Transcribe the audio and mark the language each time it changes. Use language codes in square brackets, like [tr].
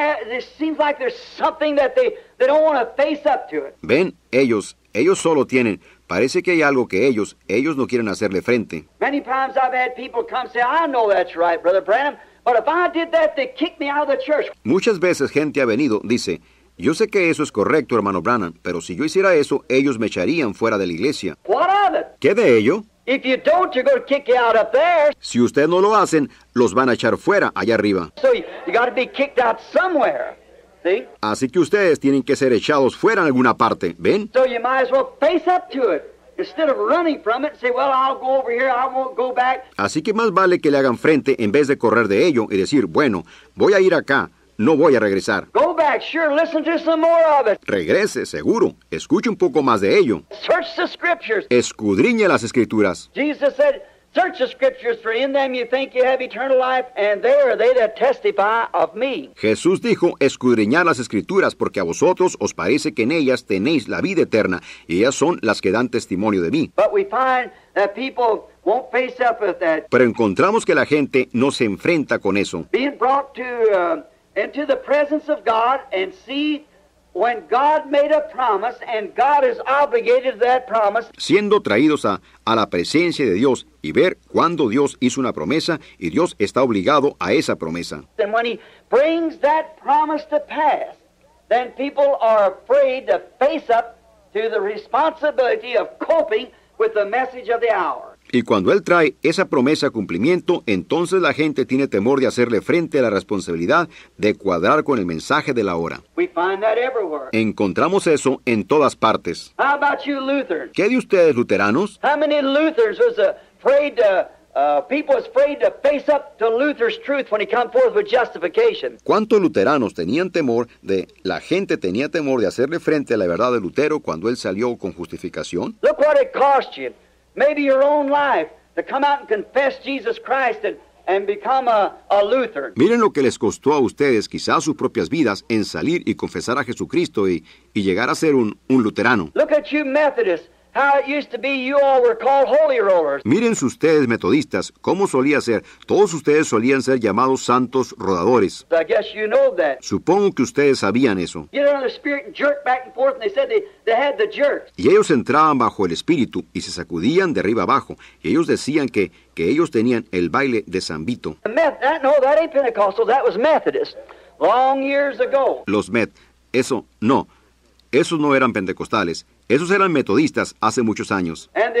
[en] It seems like there's something that they don't want to face up to it. [es] Ven, ellos solo tienen, parece que hay algo que ellos no quieren hacerle frente. [en] Many times I've had people come say, I know that's right, Brother Branham, but if I did that, they'd kick me out of the church. [es] Muchas veces gente ha venido, dice, yo sé que eso es correcto, hermano Branham, pero si yo hiciera eso, ellos me echarían fuera de la iglesia. [en] What of it? [es] ¿Qué de ello? [en] If you don't, you're going to kick you out up there. [es] Si ustedes no lo hacen, los van a echar fuera allá arriba. [en] So you got to be kicked out somewhere. See? [es] Así que ustedes tienen que ser echados fuera en alguna parte. ¿Ven? [en] So you might as well face up to it. Instead of running from it, say, well, I'll go over here, I won't go back. [es] Así que más vale que le hagan frente en vez de correr de ello y decir, bueno, voy a ir acá. No voy a regresar. [en] Go back, sure, listen to some more of it. [es] Regrese, seguro. Escuche un poco más de ello. [en] Search the scriptures. [es] Escudriñe las escrituras. [en] Jesus said, search the scriptures, for in them you think you have eternal life, and they are they that testify of me. [es] Jesús dijo, escudriñad las escrituras, porque a vosotros os parece que en ellas tenéis la vida eterna, y ellas son las que dan testimonio de mí. [en] But we find that people won't face up with that. [es] Pero encontramos que la gente no se enfrenta con eso. [en] Being brought to into the presence of God and see when God made a promise and God is obligated to that promise. [es] Siendo traídos a la presencia de Dios y ver cuando Dios hizo una promesa y Dios está obligado a esa promesa. [en] And when he brings that promise to pass, then people are afraid to face up to the responsibility of coping with the message of the hour. [es] Y cuando él trae esa promesa a cumplimiento, entonces la gente tiene temor de hacerle frente a la responsabilidad de cuadrar con el mensaje de la hora. [en] We find that everywhere. [es] Encontramos eso en todas partes. [en] How about you, Lutherans? [es] ¿Qué de ustedes, luteranos? [en] How many Lutherans was afraid to People are afraid to face up to Luther's truth when he came forth with justification. [es] ¿Cuántos luteranos tenían temor de la gente tenía temor de hacerle frente a la verdad de Lutero cuando él salió con justificación? [en] Look what it cost you, maybe your own life, to come out and confess Jesus Christ and become a Lutheran. [es] Miren lo que les costó a ustedes, quizás sus propias vidas, en salir y confesar a Jesucristo y llegar a ser un luterano. [en] Look at you, Methodists. How it used to be, you all were called holy rollers. [es] Miren ustedes, metodistas, cómo solía ser. Todos ustedes solían ser llamados santos rodadores. I guess you know that. Supongo que ustedes sabían eso. [en] You know, the spirit jerked back and forth, and they said they had the jerks. [es] Y ellos entraban bajo el espíritu y se sacudían de arriba abajo. Y ellos decían que ellos tenían el baile de San Vito. [en] That ain't Pentecostal. That was Methodist. Long years ago. [es] Los Met. Eso no. Esos no eran pentecostales. Esos eran metodistas hace muchos años.